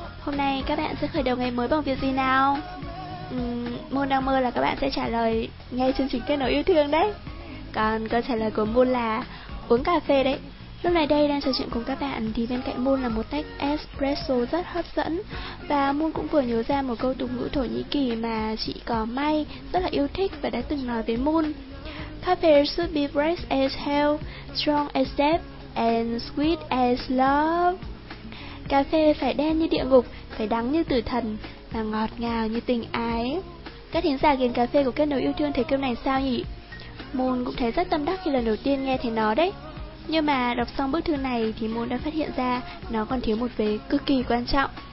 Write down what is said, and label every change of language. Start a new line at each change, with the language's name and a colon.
Vietnamese: Hôm nay các bạn sẽ khởi đầu ngày mới bằng việc gì nào? Môn đang mơ là các bạn sẽ trả lời ngay chương trình Kết nối yêu thương đấy. Còn câu trả lời của Môn là uống cà phê đấy. Lúc này đây đang trò chuyện cùng các bạn thì bên cạnh Môn là một tách espresso rất hấp dẫn. Và Môn cũng vừa nhớ ra một câu tục ngữ Thổ Nhĩ Kỳ mà chị Cò May rất là yêu thích và đã từng nói với Môn.
English: Coffee should be fresh as hell, strong as death and sweet as love.
Vietnamese: Cà phê phải đen như địa ngục, phải đắng như tử thần và ngọt ngào như tình ái. Các thính giả ghiền cà phê của Kết nối yêu thương thấy câu này sao nhỉ? Môn cũng thấy rất tâm đắc khi lần đầu tiên nghe thấy nó đấy. Nhưng mà đọc xong bức thư này thì Môn đã phát hiện ra nó còn thiếu một vế cực kỳ quan trọng.